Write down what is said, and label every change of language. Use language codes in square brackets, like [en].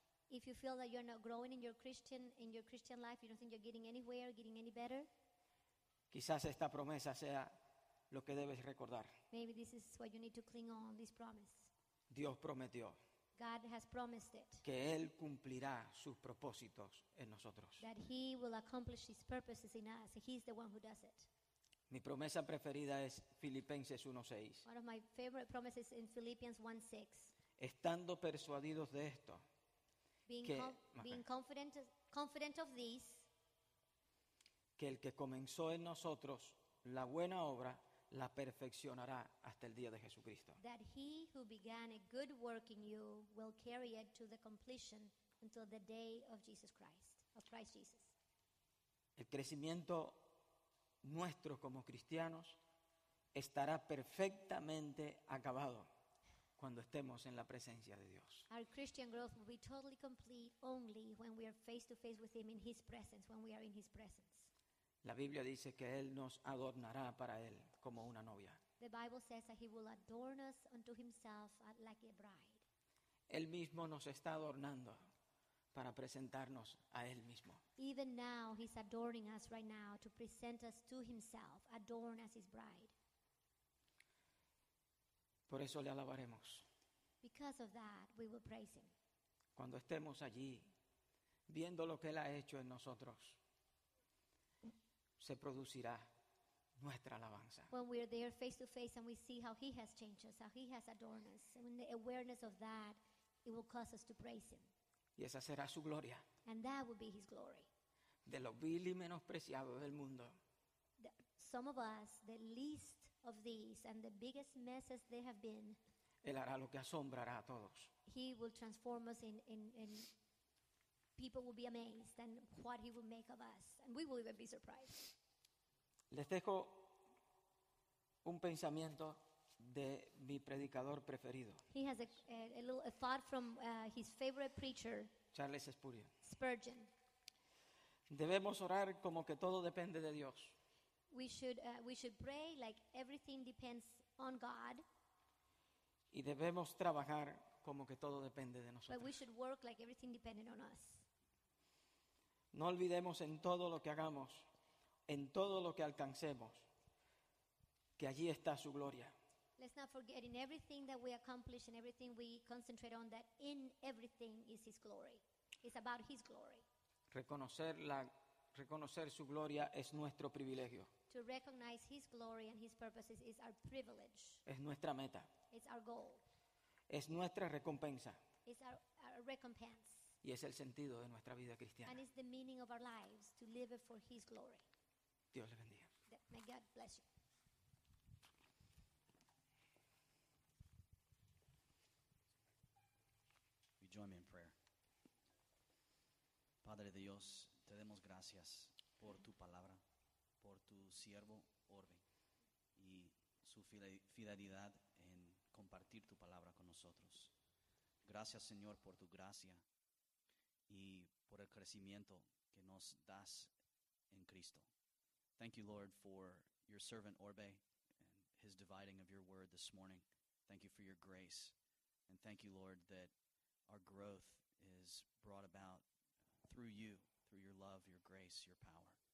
[en] if you feel that you're not growing in your Christian life, you don't think you're getting any better, [es] quizás esta promesa sea lo que debes recordar. [en] Maybe this is what you need to cling on, this promise. [es] Dios prometió. [en] God has promised it. [es] Que Él cumplirá sus propósitos en nosotros. [en] That He will accomplish His purposes in us. He's the one who does it. [es] Mi promesa preferida es Filipenses 1:6. [en] One of my favorite promises in Philippians 1:6. [es] Estando persuadidos de esto. [en] Being confident of this. [es] Que el que comenzó en nosotros la buena obra la perfeccionará hasta el día de Jesucristo. [en] That He who began a good work in you will carry it to the completion until the day of Jesus Christ, of Christ Jesus. [es] El crecimiento nuestro como cristianos estará perfectamente acabado cuando estemos en la presencia de Dios. [en] Our Christian growth will be totally complete only when we are face to face with Him in His presence, when we are in His presence. [es] La Biblia dice que Él nos adornará para Él como una novia. [en] The Bible says that He will adorn us unto Himself like a bride. [es] Él mismo nos está adornando para presentarnos a Él mismo. [en] Even now, He's adorning us right now to present us to Himself, adorn us His bride. [es] Por eso le alabaremos. [en] Because of that, we will praise Him. [es] Cuando estemos allí, viendo lo que Él ha hecho en nosotros, se producirá nuestra alabanza. [en] When we are there face to face and we see how He has changed us, how He has adorned us, and in the awareness of that, it will cause us to praise Him. [es] Y esa será su gloria. [en] And that will be His glory. [es] De lo vil y menospreciado del mundo. [en] Some of us, the least of these and the biggest messes they have been, [es] Él hará lo que asombrará a todos. [en] He will transform us in people will be amazed and what He will make of us. And we will even be surprised. [es] Les dejo un pensamiento de mi predicador preferido. [en] He has a little thought from his favorite preacher, Charles Spurgeon. Spurgeon. [es] Debemos orar como que todo depende de Dios. [en] We should pray like everything depends on God. [es] Y debemos trabajar como que todo depende de nosotros. [en] But we should work like everything depended on us. [es] No olvidemos en todo lo que hagamos, en todo lo que alcancemos, que allí está su gloria. [en] Let's not forget in everything that we accomplish and everything we concentrate on that in everything is His glory. It's about His glory. [es] Reconocer su gloria es nuestro privilegio. [en] To recognize His glory and His purposes is our privilege. [es] Es nuestra meta. [en] It's our goal. [es] Es nuestra recompensa. [en] It's our recompense. [es] Y es el sentido de nuestra vida cristiana. [en] And it's the meaning of our lives, to live for His glory. [es] Dios le bendiga. [en] May God bless you. You join me in prayer. [es] Padre Dios, te damos gracias por tu palabra, por tu siervo Orbe y su fidelidad en compartir tu palabra con nosotros. Gracias, Señor, por tu gracia y por el crecimiento que nos das en Cristo. [en] Thank you, Lord, for your servant Orbe and his dividing of your word this morning. Thank you for your grace. And thank you, Lord, that our growth is brought about through you, through your love, your grace, your power.